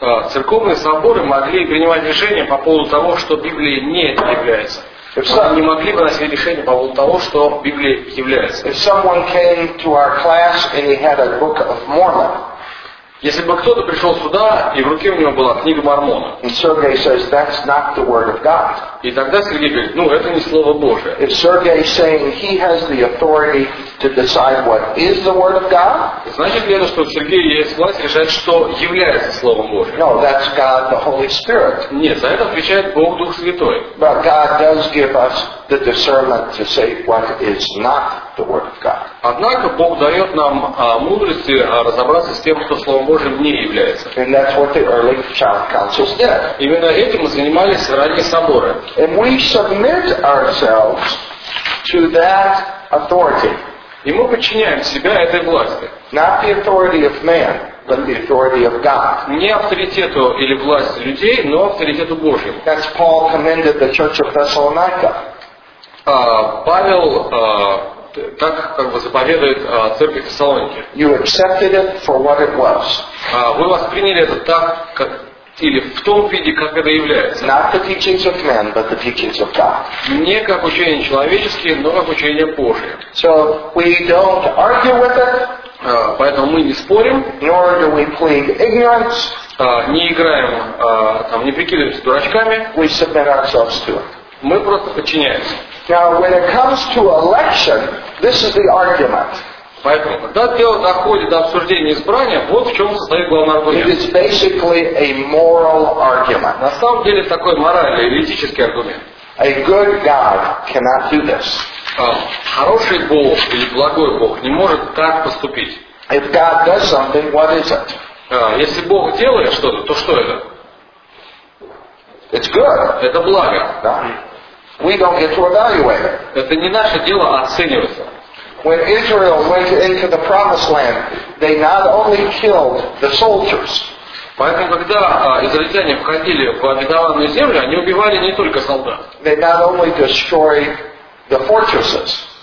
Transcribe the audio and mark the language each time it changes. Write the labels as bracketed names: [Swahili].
[Russian] Церковные соборы могли принимать решение по поводу того, что Библия не является. Они не могли выносить решение по поводу того, что Библия является. [English] If someone came to our class and he had a Book of Mormon. [Russian] Если бы кто-то пришел сюда, и в руке у него была книга Мормона. [English] And Sergey says, that's not the word of God. [Russian] И тогда Сергей говорит, ну, это не Слово Божие. [English] If Sergey is saying he has the authority to decide what is the word of God, [Russian] значит ли это, что у Сергея есть власть решать, что является Словом Божьим? [English] No, that's God, the Holy Spirit. [Russian] Нет, за это отвечает Бог Дух Святой. [English] But God does give us the discernment to say what is not the word of God. [Russian] Однако Бог дает нам мудрости разобраться с тем, что Словом Божьим не является. [English] And that's what the early church councils did. [Russian] Именно этим и занимались ранние соборы. [English] And we submit ourselves to that authority. [Russian] И мы подчиняем себя этой власти. [English] Not the authority of man, but the authority of God. [Russian] Не авторитету или власти людей, но авторитету Божьему. [English] That's Paul commended the church of Thessalonica. [Russian] Павел так как бы заповедует церкви Фессалоники. [English] You accepted it for what it was. [Russian] Вы восприняли это так, как или в том виде, как это является. [English] Not the teachings of men, but the teachings of God. [Russian] Не как учение человеческие, но как учение Божие. [English] So we don't argue with it. [Russian] Поэтому мы не спорим. [English] Nor do we plead ignorance. [Russian] Не играем, там, не прикидываемся дурачками. [English] We submit ourselves to it. [Russian] Мы просто подчиняемся. [English] Now, when it comes to election, this is the argument. [Russian] Поэтому, когда дело доходит до обсуждения избрания, вот в чем состоит главный аргумент. [English] It is basically a moral argument. [Russian] На самом деле, такой моральный, юридический аргумент. [English] A good God cannot do this. [Russian] Хороший Бог или благой Бог не может так поступить. [English] If God does something, what is it? [Russian] Если Бог делает что-то, то что это? [English] It's good. [Russian] Это благо. Да. [English] We don't get to evaluate it. [Russian] Это не наше дело оцениваться. [English] When Israel went into the Promised Land, they not only killed the soldiers. [Russian] Поэтому когда израильтяне входили в обетованную землю, они убивали не только солдат. [English] They not only destroyed the fortresses.